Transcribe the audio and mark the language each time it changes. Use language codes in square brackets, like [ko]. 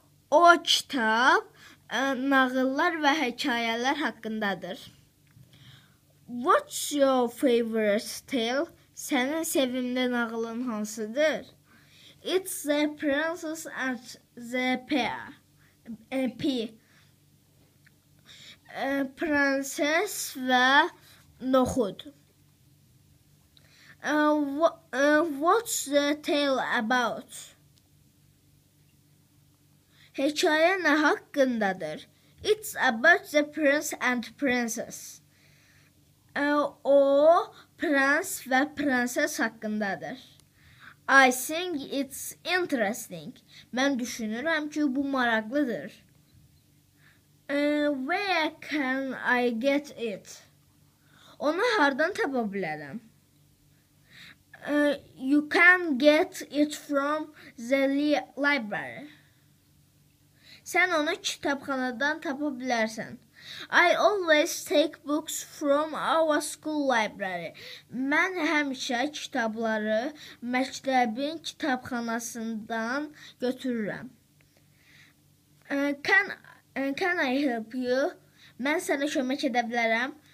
[az] O kitab nağıllar və hekayələr haqqındadır. [en] What's your favorite tale? [az] Sənin sevimli nağılın hansıdır? [en] It's the princess and the pea. [az] Prinses və noxud. [en] What's the tale about? [az] Hekayə nə haqqındadır? [en] It's about the prince and princess. [az] O, prins və prinses haqqındadır. [en] I think it's interesting. [az] Mən düşünürəm ki, bu maraqlıdır. [en] Where can I get it? [az] Onu hardan tapa bilərəm? [en] You can get it from the library. [az] Sən onu kitabxanadan tapa bilərsən. [en] I always take books from our school library. [az] Mən həmişə kitabları məktəbin kitabxanasından götürürəm. [en] Can I help you? [az] Mən sənə kömək edə bilərəm.